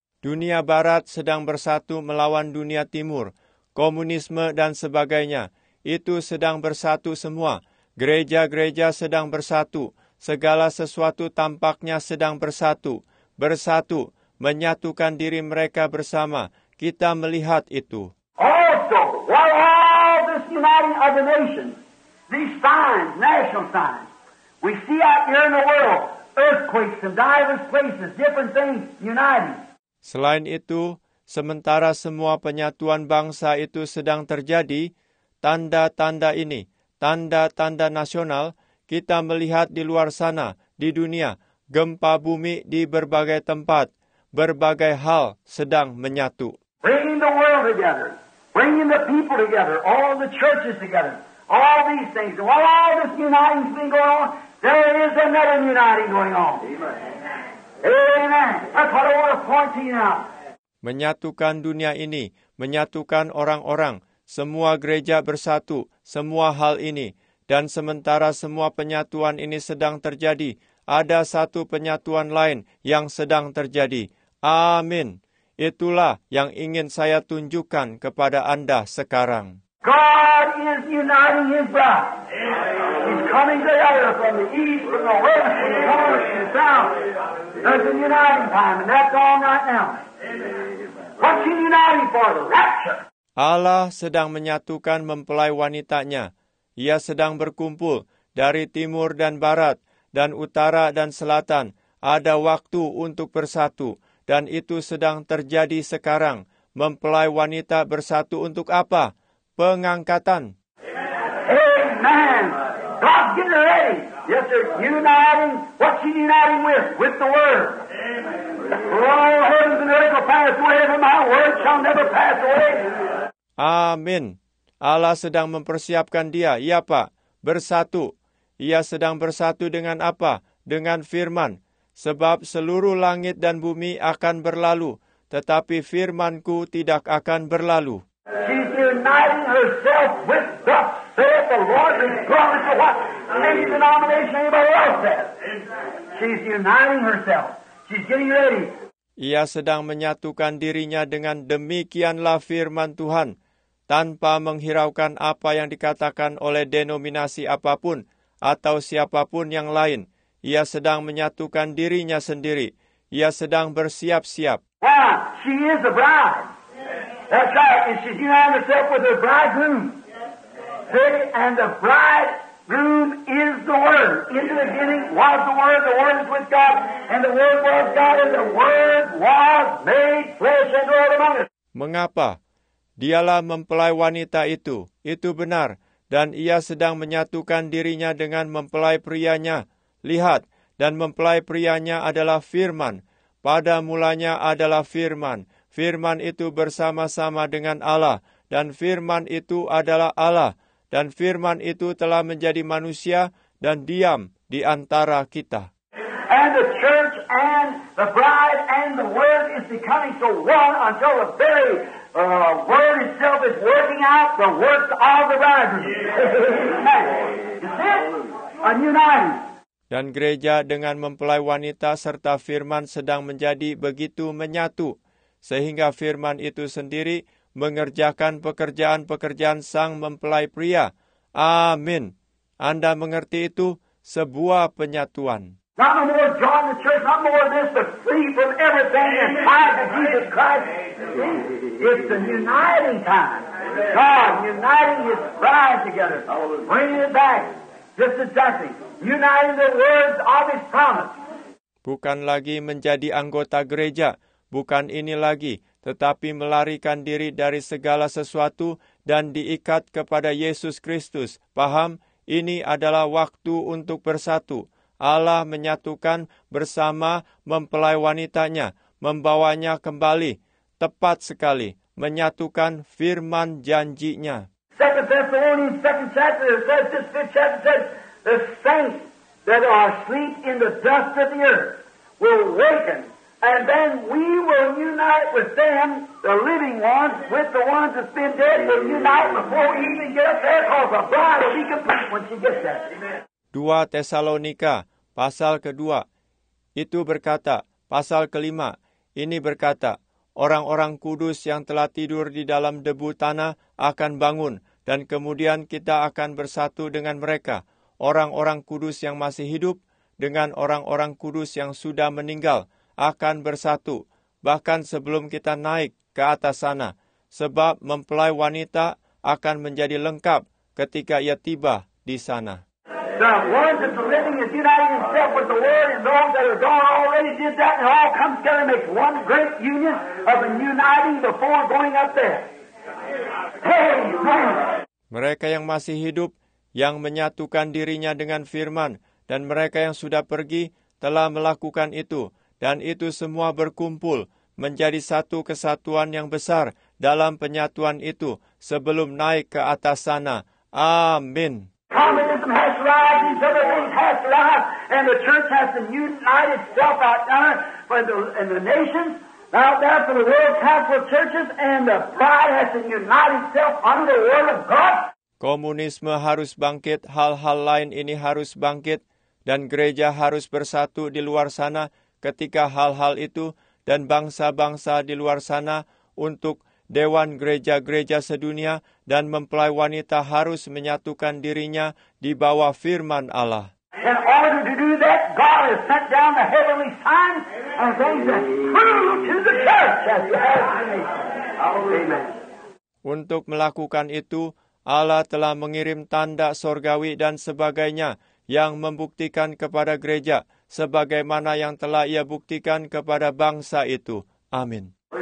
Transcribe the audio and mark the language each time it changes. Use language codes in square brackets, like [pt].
[id] Dunia Barat sedang bersatu melawan dunia Timur, komunisme dan sebagainya. itu sedang bersatu semua. Gereja-gereja sedang bersatu. Segala sesuatu tampaknya sedang bersatu. Bersatu, menyatukan diri mereka bersama. Kita melihat itu. [en] Also, while all this uniting of the nations, these signs, national signs, we see out here in the world, earthquakes in diverse places, different things uniting. [id] Selain itu, sementara semua penyatuan bangsa itu sedang terjadi, tanda-tanda ini, tanda-tanda nasional, kita melihat di luar sana, di dunia, gempa bumi di berbagai tempat, berbagai hal sedang menyatu. [en] Bringing the world together, bringing the people together, all the churches together, all these things. And while all this uniting's been going on, there is another uniting going on. Amen. That's what I want to point to you now. [id] Menyatukan dunia ini, menyatukan orang-orang, semua gereja bersatu, semua hal ini. Dan sementara semua penyatuan ini sedang terjadi, ada satu penyatuan lain yang sedang terjadi. Amin. Itulah yang ingin saya tunjukkan kepada Anda sekarang. [en] God is uniting His bride. He's coming together from the east, from the west, from the north, from the south. There's a uniting time, and that's all right now. What's He uniting for? The rapture. [id] Allah sedang menyatukan mempelai wanitanya. Ia sedang berkumpul dari timur dan barat, dan utara dan selatan. Ada waktu untuk bersatu, dan itu sedang terjadi sekarang. Mempelai wanita bersatu untuk apa? Pengangkatan. [en] Amen. God's getting ready. Yes, sir. Uniting. What's He uniting with? With the Word. Amen. All heavens and earth shall pass away, but my Word shall never pass away. [id] Amin. Allah sedang mempersiapkan dia, ya Pak, bersatu. Ia sedang bersatu dengan apa? Dengan firman. Sebab seluruh langit dan bumi akan berlalu, tetapi firmanku tidak akan berlalu. [en] She's uniting herself with the saith the Lord and glory to what? Any denomination anybody else says. She's uniting herself. She's getting ready. [id] Ia sedang menyatukan dirinya dengan demikianlah firman Tuhan. Tanpa menghiraukan apa yang dikatakan oleh denominasi apapun atau siapapun yang lain, ia sedang menyatukan dirinya sendiri. Ia sedang bersiap-siap. [en] Yeah, she is a bride. Yeah. That's right. And she's united herself with her bridegroom. Yeah. And the bridegroom is the Word. In the beginning was the Word. The Word is with God. And the Word was God. And the Word was made flesh and dwelt among us. [id] Mengapa? Dialah mempelai wanita itu, itu benar, dan ia sedang menyatukan dirinya dengan mempelai prianya. Lihat, dan mempelai prianya adalah firman. Pada mulanya adalah firman. Firman itu bersama-sama dengan Allah, dan firman itu adalah Allah, dan firman itu telah menjadi manusia dan diam di antara kita. [en] And the church and the bride and the word is becoming so one until the very word itself is working out the works of the bridegroom. Is this a uniting? [id] Dan gereja dengan mempelai wanita serta firman sedang menjadi begitu menyatu, sehingga firman itu sendiri mengerjakan pekerjaan-pekerjaan sang mempelai pria. Amin. Anda mengerti itu? Sebuah penyatuan. [en] Not no more join the church, not more this, but free from everything and tied to Jesus Christ. See? It's an uniting time. God uniting His bride together, bringing it back. This is Jesse. Uniting the words of His promise. [id] Bukan lagi menjadi anggota gereja, bukan ini lagi, tetapi melarikan diri dari segala sesuatu dan diikat kepada Yesus Kristus. Paham? Ini adalah waktu untuk bersatu. Allah menyatukan bersama mempelai wanitanya, membawanya kembali. Tepat sekali, menyatukan firman janjinya. [en] 2 Thessalonians 2 chapter, it says, this 5th chapter says, the saints that are asleep in the dust of the earth will awaken, and then we will unite with them, the living ones, with the ones that's been dead, we'll unite before we even get up there, because the bride will be complete when she gets there. Amen. [id] 2 Tesalonika, pasal kedua, itu berkata, pasal kelima, ini berkata, orang-orang kudus yang telah tidur di dalam debu tanah akan bangun, dan kemudian kita akan bersatu dengan mereka, orang-orang kudus yang masih hidup, dengan orang-orang kudus yang sudah meninggal, akan bersatu, bahkan sebelum kita naik ke atas sana, sebab mempelai wanita akan menjadi lengkap ketika ia tiba di sana. [en] The one that's living is uniting himself with the Word, and those that are gone already did that, and it all comes together and makes one great union of an uniting before going up there. Amen. [id] Mereka yang masih hidup, yang menyatukan dirinya dengan firman, dan mereka yang sudah pergi, telah melakukan itu, dan itu semua berkumpul, menjadi satu kesatuan yang besar dalam penyatuan itu, sebelum naik ke atas sana. Amin. [en] Communism has arrived, these other things has arrived, and the church has united itself out there for the nations, out there for the world council churches, and the bride has united itself under the word of God. [id] Komunisme harus bangkit, hal-hal lain ini harus bangkit, dan gereja harus bersatu di luar sana ketika hal-hal itu, dan bangsa-bangsa di luar sana untuk Dewan Gereja-Gereja Sedunia dan mempelai wanita harus menyatukan dirinya di bawah firman Allah. [en] In order to do that, God has sent down the heavenly sign and things through to the church. Amen. [id] Untuk melakukan itu, Allah telah mengirim tanda sorgawi dan sebagainya yang membuktikan kepada gereja sebagaimana yang telah ia buktikan kepada bangsa itu. Amin.